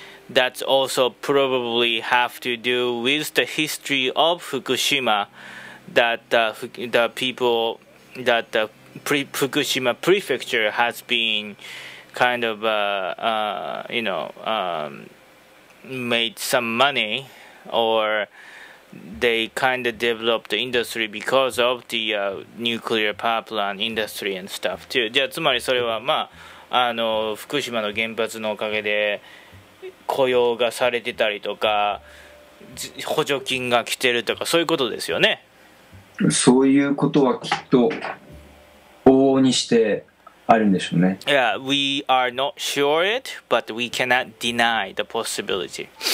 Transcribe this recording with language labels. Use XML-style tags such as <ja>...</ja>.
<en>That's also probably have to do with the history of Fukushima, that Fukushima prefecture has been kind of made some money, or they kind of developed the industry because of the nuclear power plant industry and stuff too.</en> <ja>じゃあつまりそれはまあ、あの福島の原発のおかげで雇用がされてたりとか補助金が来てるとかそういうことですよね。そういうことはきっと往々にしてあるんでしょうね。</ja> <en>Yeah, we are not sure it, but we cannot deny the possibility.</en>